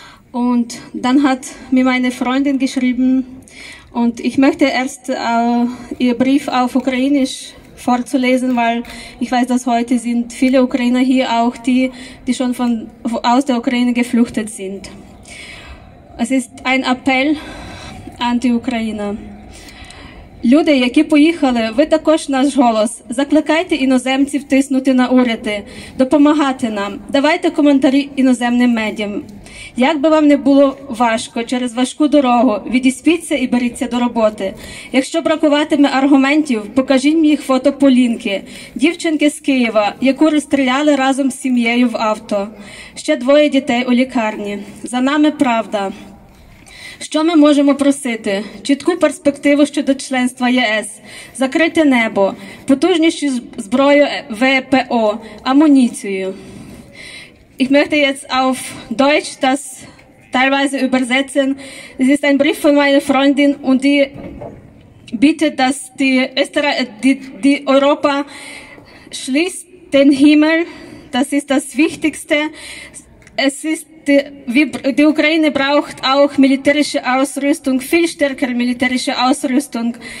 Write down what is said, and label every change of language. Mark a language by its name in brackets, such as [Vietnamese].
[German] Und dann hat mir meine Freundin geschrieben und ich möchte erst ihr Brief auf Ukrainisch vorzulesen, weil ich weiß, dass heute sind viele Ukrainer hier auch, die schon aus der Ukraine geflüchtet sind. Es ist ein Appell an die Ukrainer. [Ukrainian] Люди, які поїхали, ви також наш голос. Закликайте іноземців тиснути на уряди, допомагати нам. Давайте коментарі іноземним медіям. Як би вам не було важко, через важку дорогу, відіспіться і беріться до роботи. Якщо бракуватиме аргументів, покажіть мені їх фото Полінки, дівчинки з Києва, яку розстріляли разом з сім'єю в авто. Ще двоє дітей у лікарні. За нами правда. Що ми можемо просити? Чітку перспективу щодо членства ЄС, закрите небо, потужніші зброю ВПО, амуніцію. [German] Ich möchte jetzt auf Deutsch das teilweise übersetzen. Es ist ein Brief von meiner Freundin und die bittet, dass die Europa schließt den Himmel. Das ist das Wichtigste. Es ist die Ukraine braucht auch militärische Ausrüstung, viel stärkere militärische Ausrüstung.